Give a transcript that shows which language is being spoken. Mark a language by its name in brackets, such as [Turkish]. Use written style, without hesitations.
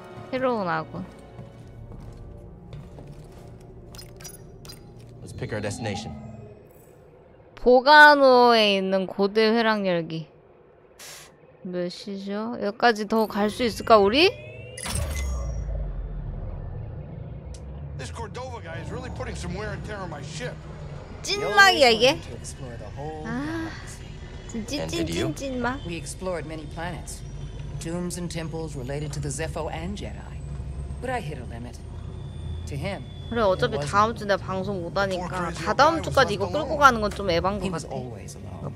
[Korean] 새로운 아군. [English] Let's pick our destination. [Korean] 보가노에 있는 고대 회랑 열기. 몇 시죠? 여기까지 더 갈 수 있을까 우리? [English] This Cordova guy is really putting some wear and tear on my ship. [Korean] 찐막이야 이게? 아, 찐막. [English] We explored many planets, tombs and temples related to the Zepho and Jedi. But I hit a limit. To him. [Korean] 그래 어차피 다음 주 내 방송 못 하니까 다 다음 주까지 이거 끌고 가는 건 좀 애방 것 같아.